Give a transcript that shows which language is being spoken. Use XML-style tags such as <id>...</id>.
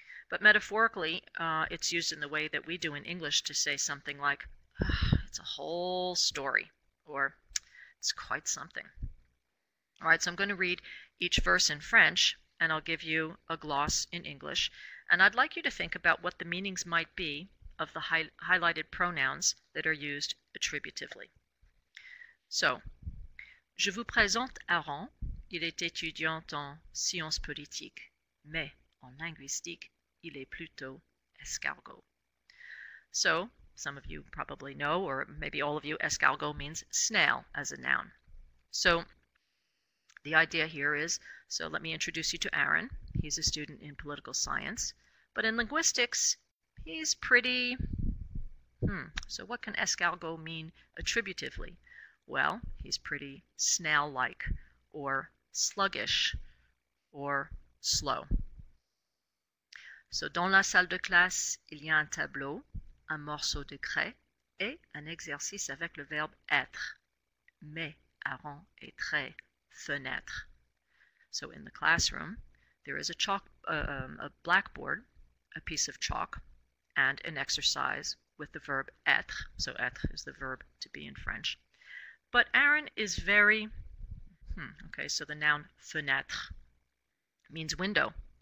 <en>But metaphorically, it's used in the way that we do in English to say something like, it's a whole story, or it's quite something. All right, so I'm going to read each verse in French, and I'll give you a gloss in English. And I'd like you to think about what the meanings might be of the highlighted pronouns that are used attributively.</en> <fr>So, je vous présente Aaron. Il est étudiant en sciences politiques, mais en linguistique, il est plutôt escargot.</fr> <en>So, some of you probably know, or maybe all of you, escargot means snail as a noun. So, the idea here is, so let me introduce you to Aaron. He's a student in political science, but in linguistics, he's pretty, so what can escargot mean attributively? Well, he's pretty snail-like, or sluggish, or slow.</en> <fr>So, dans la salle de classe, il y a un tableau, un morceau de craie, et un exercice avec le verbe être. Mais Aaron est très fenêtre.</fr> <en>So, in the classroom, there is a chalk, a blackboard, a piece of chalk, and an exercise with the verb être. So, être is the verb to be in French. But Aaron is very okay, so the noun fenêtre means window.</en>